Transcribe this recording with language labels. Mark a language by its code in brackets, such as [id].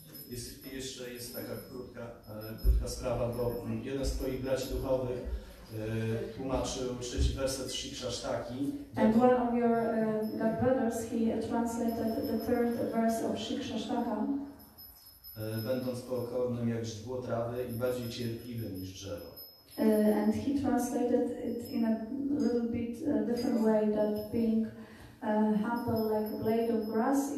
[pl] I jeszcze jest taka krótka sprawa, bo jeden z twoich braci duchowych tłumaczył trzeci werset Shri Krishnaki. [en] And one of your brothers, he translated the third verse of Shri Krishnaka. [pl] Będąc pokornym jak źdło trawy i bardziej cierpliwym niż drzewo. [en] And he translated it in a little bit different way, that being humble like a blade of grass.